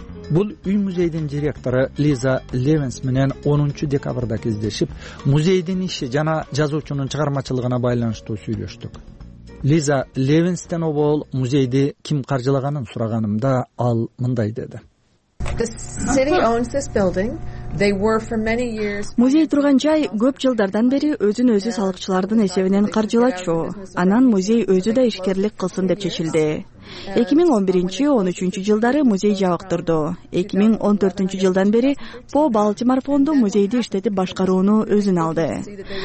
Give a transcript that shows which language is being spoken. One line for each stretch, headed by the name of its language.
Kyrgyz: Бул үй музейдин директору Лиза Левенс менен 10 декабрда кездешип, музейдин иши жана жазуучунун чыгармачылыгына байланыштуу сүйлөштүк. Лиза Левенстен обол музейди ким каржылаганын сураганымда ал мындай деди.
English: The city owns this building. They were for many years.
Kyrgyz: Музей турган жай көп жылдардан бери өзүн өзү салыкчылардын эсебинен каржылачу. Анан музей өзү да ишкерлик кылсын деп чечилди. 2011-13 жылдары музей жабыктырды. 2014 жылдан бери По Балтимор фонду музейди иштетип башкарууну өзүн алды.